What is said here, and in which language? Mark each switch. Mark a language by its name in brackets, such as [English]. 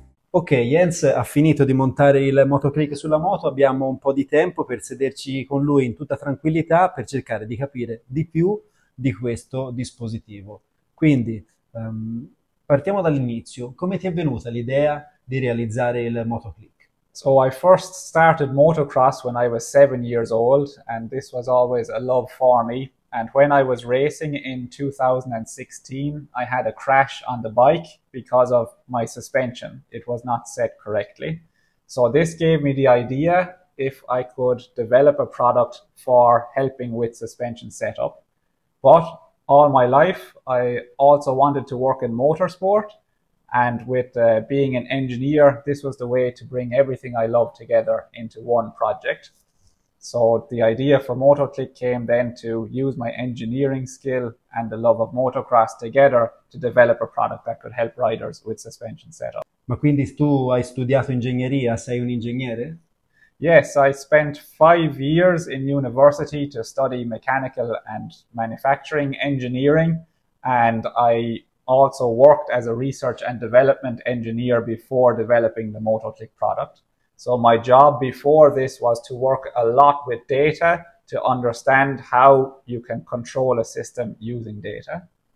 [Italian] Ok, Jens ha finito di montare il Motoklik sulla moto, abbiamo un po' di tempo per sederci con lui in tutta tranquillità per cercare di capire di più di questo dispositivo. Quindi, partiamo dall'inizio. Come ti è venuta l'idea di realizzare il Motoklik? [English] So I first started motocross when I was 7 years old, and this was always a love for me. And when I was racing in 2016, I had a crash on the bike because of my suspension. It was not set correctly. So this gave me the idea if I could develop a product for helping with suspension setup. But all my life, I also wanted to work in motorsport. And with being an engineer, this was the way to bring everything I love together into one project. So the idea for Motoklik came then to use my engineering skill and the love of motocross together to develop a product that could help riders with suspension setup. [Italian] Ma quindi tu hai studiato ingegneria, sei un ingegnere? [English] Yes, I spent 5 years in university to study mechanical and manufacturing engineering, and I also worked as a research and development engineer before developing the Motoklik product. So my job before this was to work a lot with data to understand how you can control a system using data.